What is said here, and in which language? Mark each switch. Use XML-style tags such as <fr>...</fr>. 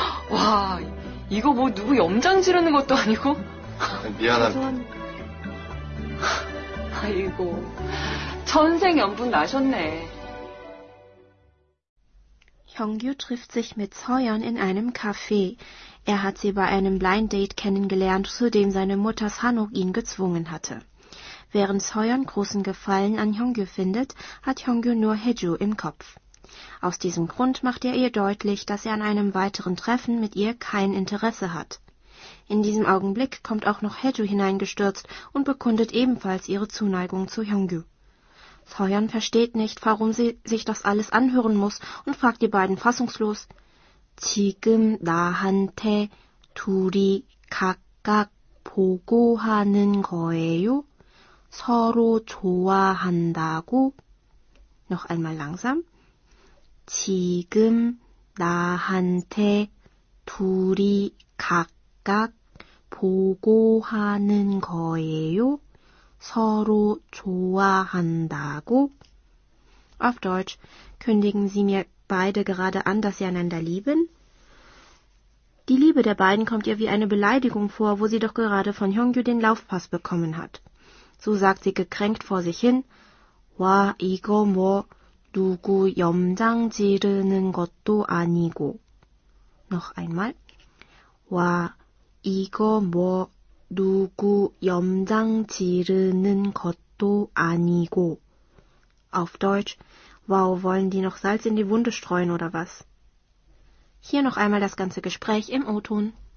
<ko>와, 이거 뭐 누구 염장 지르는 것도 아니고. 미안합니다. 아이고, 전생 연분 나셨네.</ko> <de>형규 trifft sich mit Soyeon in einem Café. Er hat sie bei einem Blind Date kennengelernt, zu dem seine Mutter Sanuk ihn gezwungen hatte. Während Soyeon großen Gefallen an Hyungyu findet, hat Hyungyu nur Haeju im Kopf. Aus diesem Grund macht er ihr deutlich, dass er an einem weiteren Treffen mit ihr kein Interesse hat. In diesem Augenblick kommt auch noch Haeju hineingestürzt und bekundet ebenfalls ihre Zuneigung zu Hyungyu. Soyeon versteht nicht, warum sie sich das alles anhören muss und fragt die beiden fassungslos,</de> <ko>지금 나한테 둘이 각각 보고하는 거예요? 서로 좋아한다고?</ko> <de>Noch einmal langsam.</de> <ko>지금 나한테 둘이 각각 보고하는 거예요? 서로 좋아한다고?</ko> <de>Auf Deutsch, kündigen Sie mir beide gerade an, dass Sie einander lieben? Die Liebe der beiden kommt ihr wie eine Beleidigung vor, wo sie doch gerade von Hyungyu den Laufpass bekommen hat. So sagt sie gekränkt vor sich hin,</de> <ko>Wa, 이거 뭐, 누구 염장 지르는 것도 아니고.</ko> <de>Noch einmal.</de> <ko>Wa, 이거 뭐, 누구 염장 지르는 것도 아니고.</ko> <de>Auf Deutsch, wow, wollen die noch Salz in die Wunde streuen oder was? Hier noch einmal das ganze Gespräch im O-Ton.</de>